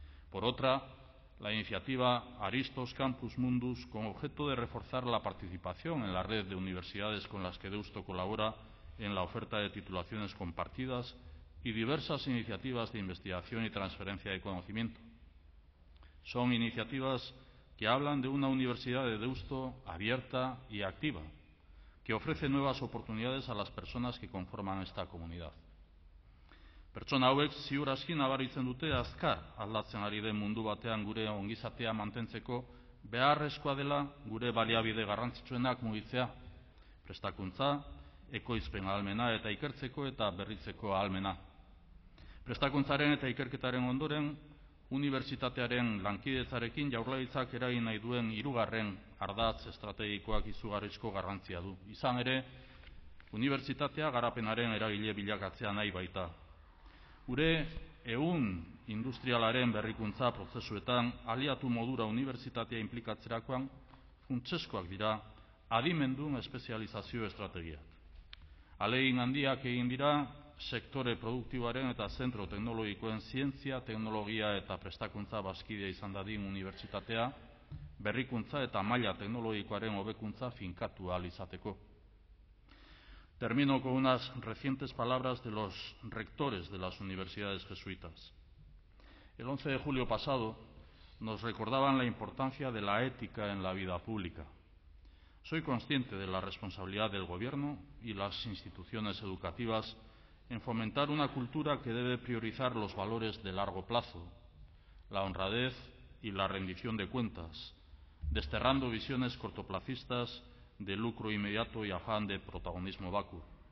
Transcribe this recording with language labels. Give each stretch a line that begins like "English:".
Spanish: Por otra, la iniciativa Aristos Campus Mundus, con objeto de reforzar la participación en la red de universidades con las que Deusto colabora en la oferta de titulaciones compartidas y diversas iniciativas de investigación y transferencia de conocimiento. Son iniciativas que hablan de una universidad de Deusto abierta y activa, que ofrece nuevas oportunidades a las personas que conforman esta comunidad.
Basque: Pertsona hauek ziur aski nabaritzen dute azkar aldatzen ari den mundu batean gure ongizatea mantentzeko beharrezkoa dela gure baliabide garrantzitsuenak mugitzea, prestakuntza, ekoizpen ahalmena eta ikertzeko eta berritzeko ahalmena. Prestakuntzaren eta ikerketaren ondoren, unibertsitatearen lankidetzarekin Jaurlaritzak eragin nahi duen hirugarren ardatz estrategikoak izugarrizko garrantzia du. Izan ere, unibertsitatea garapenaren eragile bilakatzea nahi baita. Gure ehun industrialaren berrikuntza prozesuetan aliatu modura unibertsitatea inplikatzerakoan funtsezkoak dira adimendun espezializazio estrategiak. Alegin handiak egin dira sektore produktiboaren eta zentro teknologikoen zientzia, teknologia eta prestakuntza bazkidea izan dadin unibertsitatea berrikuntza eta maila teknologikoaren hobekuntza finkatu ahal izateko.
Spanish: Termino con unas recientes palabras de los rectores de las universidades jesuitas. El 11 de julio pasado nos recordaban la importancia de la ética en la vida pública. Soy consciente de la responsabilidad del gobierno y las instituciones educativas en fomentar una cultura que debe priorizar los valores de largo plazo, la honradez y la rendición de cuentas, desterrando visiones cortoplacistas de lucro inmediato y afán de protagonismo vacuo.